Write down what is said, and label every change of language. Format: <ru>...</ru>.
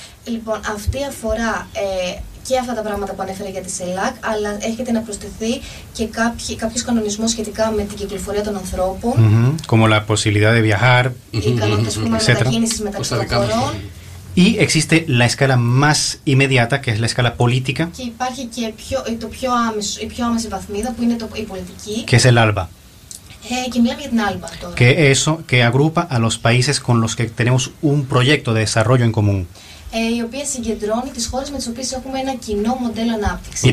<el>Λοιπόν, αυτή αφορά και αυτά τα πράγματα που ανέφερα για τη CELAC, αλλά έχετε να προσθεθεί και κάποιος κανονισμός σχετικά με την κυκλοφορία των ανθρώπων. Mm-hmm.</el> <es>Como la posibilidad de viajar, etcétera. Mm-hmm. Mm-hmm. Y existe la escala más inmediata, que es la escala política.</es> <el>Και υπάρχει και η πιο άμεση βαθμίδα, που είναι η πολιτική.</el> <es>Que es el ALBA.</es> <el>Και μιλάμε για την ALBA τώρα.</el> <es>Que eso, que agrupa a los países con los que tenemos un proyecto de desarrollo en común.</es> <el>Η οποία συγκεντρώνει τις χώρες με τις οποίες έχουμε ένα κοινό μοντέλο ανάπτυξης.</el>